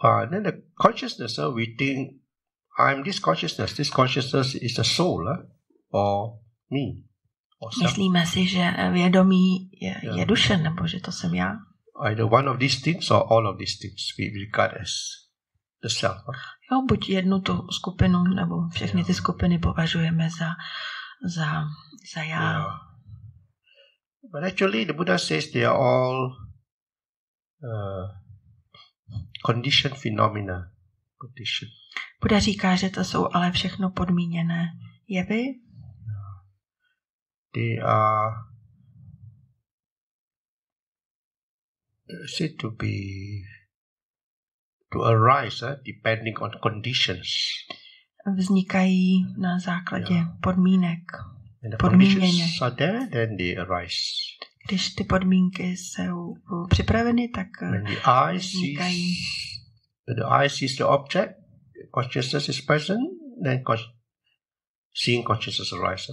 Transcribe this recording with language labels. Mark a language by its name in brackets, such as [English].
[English] Then the consciousness, we think, I'm this consciousness. This consciousness is a soul, or me. Or [Czech] myslíme si, že vědomí je duše, nebo že to jsem já. [English] Either one of these things or all of these things we regard as the self. [Czech] Jo, buď jednu tu skupinu nebo všechny ty skupiny považujeme za já. [English] But actually the Buddha says they are all conditioned phenomena. [Czech] Buddha říká, že to jsou ale všechno podmíněné jevy. [English] They are said to arise depending on conditions. [Czech] Vznikají na základě podmínek. [English] And the conditions are there, then they arise. [Czech] Když ty podmínky jsou připraveny, tak vznikají. [English] When the eye sees the object, consciousness is present, then seeing consciousness arise.